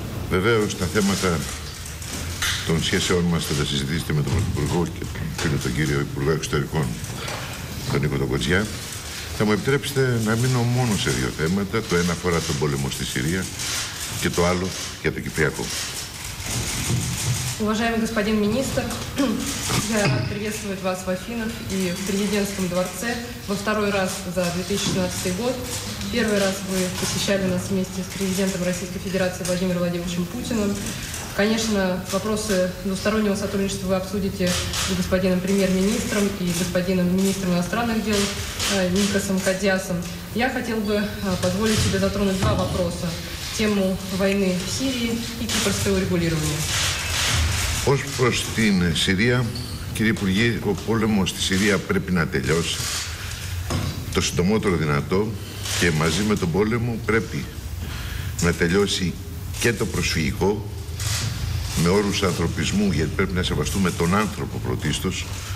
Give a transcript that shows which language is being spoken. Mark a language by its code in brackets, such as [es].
[el] Βεβαίως τα θέματα των σχέσεών μας θα τα συζητήσετε με τον Πρωθυπουργό και τον κύριο Υπουργό Εξωτερικών, τον Νίκο Κοτζιά. Θα μου επιτρέψετε να μείνω μόνο σε δύο θέματα. Το ένα αφορά τον πόλεμο στη Συρία και το άλλο για το Κυπριακό. [ru] Уважаемый господин министр, я приветствую вас в Афинах и в президентском дворце во второй раз за 2016 год. Первый раз вы посещали нас вместе с президентом Российской Федерации Владимиром Владимировичем Путиным. Конечно, вопросы двустороннего сотрудничества вы обсудите с господином премьер-министром и господином министром иностранных дел Никосом Кодиасом. Я хотел бы позволить себе затронуть два вопроса. Тему войны в Сирии и кипрского урегулирования. [el] Ως προς την Συρία, κύριε Υπουργέ, ο πόλεμος στη Συρία πρέπει να τελειώσει το συντομότερο δυνατό και μαζί με τον πόλεμο πρέπει να τελειώσει και το προσφυγικό με όρους ανθρωπισμού, γιατί πρέπει να σεβαστούμε τον άνθρωπο πρωτίστως.